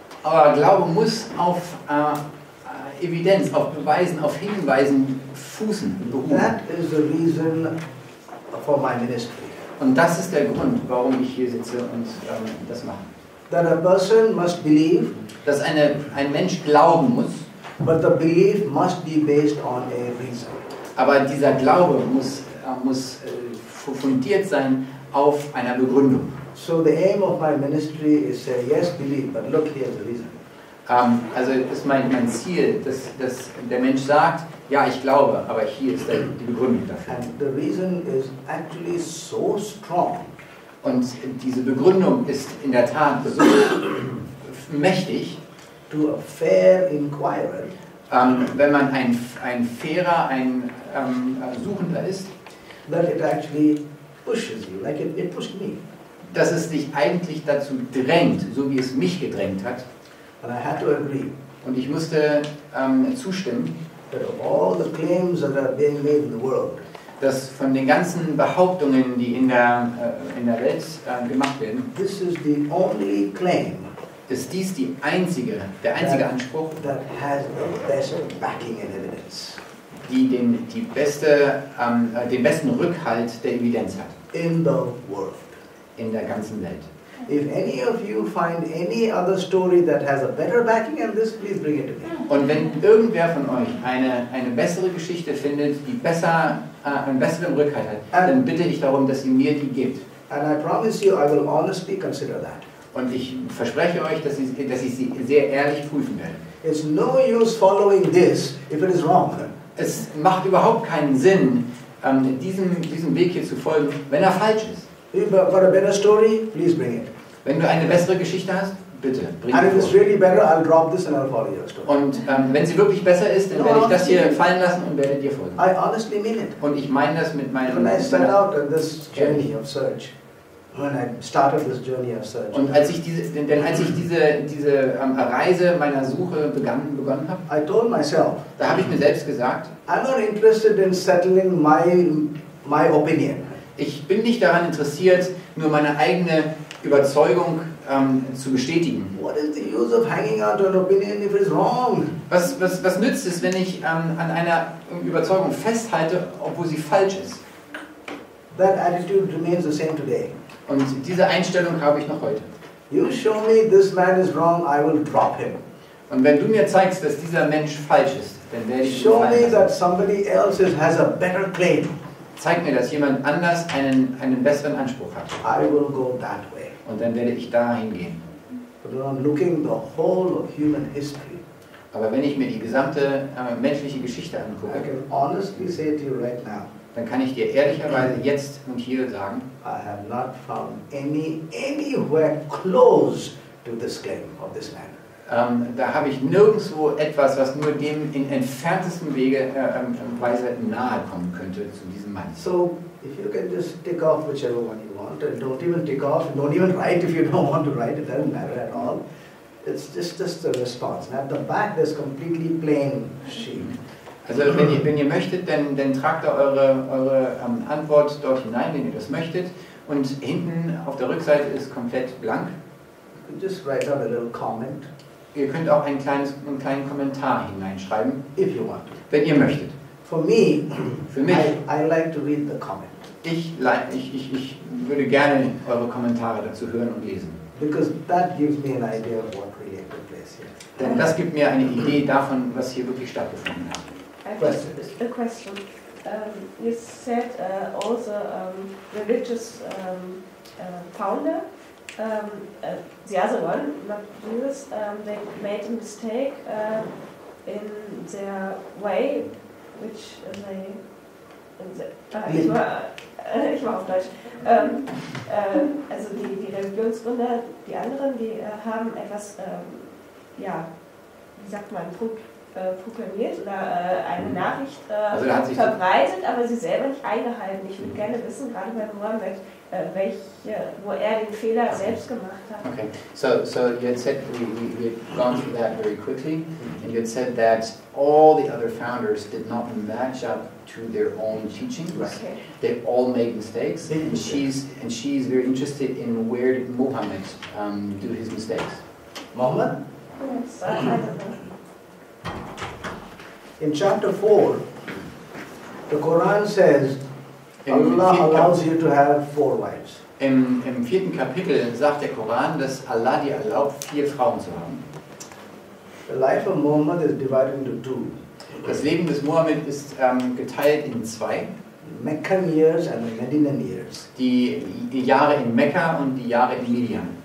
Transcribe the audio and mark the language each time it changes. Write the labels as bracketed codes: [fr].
[de] Aber Glaube muss auf Evidenz, auf Beweisen, auf Hinweisen fußen. [en] That is the reason for my ministry. [de] Und das ist der Grund, warum ich hier sitze und das mache. [en] That a person must believe, [de] dass ein Mensch glauben muss. [en] But the belief must be based on a reason. [de] Aber dieser Glaube muss fundiert sein auf einer Begründung. [en] So the aim of my ministry is say, yes, believe, but look here the reason. [de] Also ist mein Ziel, dass der Mensch sagt, ja, ich glaube, aber hier ist die Begründung dafür. [en] And the reason is actually so strong. [de] Und diese Begründung ist in der Tat so mächtig. [en] To a fair inquirer. [de] Wenn man ein fairer Suchender ist. [en] That it actually pushes you, like it pushed me. [de] Dass es dich eigentlich dazu drängt, so wie es mich gedrängt hat. [en] And I had to agree. [de] Und ich musste zustimmen. [en] That of all the claims that are being made in the world, [de] dass von den ganzen Behauptungen, die in der Welt gemacht werden, [en] this is the only claim, [de] ist dies der einzige Anspruch, [en] that has the best backing and evidence, [de] die den besten Rückhalt der Evidenz hat, [en] in the world, [de] in der ganzen Welt. [en] If any of you find any other story that has a better backing than this, please bring it to me. [de] Und wenn irgendwer von euch eine bessere Geschichte findet, die besser einen besseren Rückhalt hat, dann bitte ich darum, dass ihr mir die gibt. [en] And I promise you, I will honestly consider that. [de] Und ich verspreche euch, dass ich sie sehr ehrlich prüfen werde. [en] It's no use following this if it is wrong. [de] Es macht überhaupt keinen Sinn, diesem Weg hier zu folgen, wenn er falsch ist. [en] For a better story, please bring it. [de] Wenn du eine bessere Geschichte hast, bitte, bring sie vor. [en] And if it's really better, I'll drop this and I'll follow your story. [de] Und wenn sie wirklich besser ist, dann werde ich das hier fallen lassen und werde dir folgen. [en] I honestly mean it. [de] Und ich meine das mit meinem... [en] When I set out on this journey of search, when I started this journey of search... [de] Und als ich diese Reise meiner Suche begonnen habe, [en] I told myself, [de] da habe ich mir selbst gesagt, [en] I'm not interested in settling my opinion. [de] Ich bin nicht daran interessiert, nur meine eigene Überzeugung zu bestätigen. [en] What is the use of hanging on to an opinion if it's wrong? [de] Was nützt es, wenn ich an einer Überzeugung festhalte, obwohl sie falsch ist? [en] That attitude remains the same today. [de] Und diese Einstellung habe ich noch heute. [en] You show me this man is wrong, I will drop him. [de] Und wenn du mir zeigst, dass dieser Mensch falsch ist, dann werde ich ihn [en] show me that somebody else has a better claim. [de] Zeig mir, dass jemand anders einen besseren Anspruch hat. [en] I will go that way. [de] Und dann werde ich dahin gehen. [en] But I'm looking the whole of human history. [de] Aber wenn ich mir die gesamte menschliche Geschichte angucke, [en] I can honestly say to you right now, [de] dann kann ich dir ehrlicherweise jetzt und hier sagen, [en] I have not found anywhere close to this claim of this man. [de] Da habe ich nirgendwo etwas, was nur dem in entferntesten Wege Weise nahe kommen könnte zu diesem Mann. [en] So, if you can just tick off whichever one you want, and don't even tick off, don't even write if you don't want to write, it doesn't matter at all. It's just the response. And at the back, there's completely plain sheet. [de] Also wenn ihr möchtet, dann tragt da eure Antwort dort hinein, wenn ihr das möchtet. Und hinten auf der Rückseite ist komplett blank. [en] You can just write out a little comment. [de] Ihr könnt auch einen kleinen Kommentar hineinschreiben, [en] if you want. [de] Wenn ihr möchtet. Für mich, [en] I like to read the comment. [de] Ich würde gerne eure Kommentare dazu hören und lesen. [en] Because that gives me an idea of what really took place here. [de] Denn das gibt mir eine Idee davon, was hier wirklich stattgefunden hat. [en] A question. You said also religious founder. The other one, not Jesus, they made a mistake in their way, which they... [de] Ich war auf Deutsch. Also die Religionsgründer, die anderen, die haben etwas, wie sagt man, proklamiert oder eine Nachricht verbreitet, aber sie selber nicht eingehalten. Ich würde gerne wissen, gerade bei Mohammed, wo er den Fehler selbst gemacht hat. [en] Okay, so you had said, we had gone through that very quickly, and you had said that all the other founders did not match up to their own teachings. Okay. They all made mistakes, and she's very interested in where did Muhammad do his mistakes. Muhammad? Yes, in chapter 4, the Quran says, Allah allows you to have four wives. [de] Im vierten Kapitel sagt der Koran, dass Allah dir erlaubt, vier Frauen zu haben. [en] The life of Muhammad is divided into two. [de] Das Leben des Muhammad ist geteilt in zwei. [en] Meccan years and Medinan years. [de] Die Jahre in Mekka und die Jahre in Midian.